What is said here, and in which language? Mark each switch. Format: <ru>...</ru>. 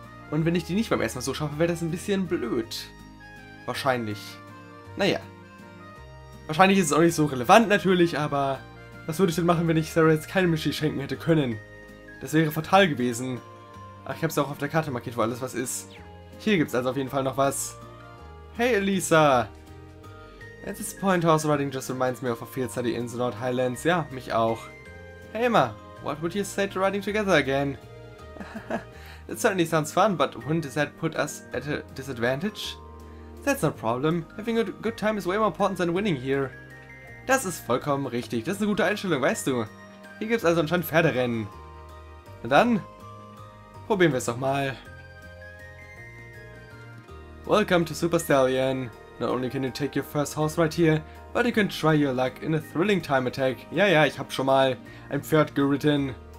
<de>Und wenn ich die nicht beim ersten Mal so schaffe, wäre das ein bisschen blöd. Wahrscheinlich. Naja. Wahrscheinlich ist es auch nicht so relevant natürlich, aber was würde ich denn machen, wenn ich Sarah jetzt keine Mischi schenken hätte können? Das wäre fatal gewesen. Ach, ich hab's auch auf der Karte markiert, wo alles was ist. Hier gibt's also auf jeden Fall noch was. Hey, Elisa!</de> <en>At this point, horse riding just reminds me of a field study in the North Highlands.</en> <de>Ja, mich auch.</de> <en>Hey Emma, what would you say to riding together again? That certainly sounds fun, but wouldn't that put us at a disadvantage? That's no problem. Having a good time is way more important than winning here.</en> <de>Das ist vollkommen richtig. Das ist eine gute Einstellung, weißt du. Hier gibt's also anscheinend Pferderennen. Na dann, probieren wir es doch mal.</de> <en>Welcome to Super Stallion. Not only can you take your first horse right here, but you can try your luck in a thrilling time attack.</en> <de>Ja, ja, ich hab schon mal ein Pferd geritten.</de>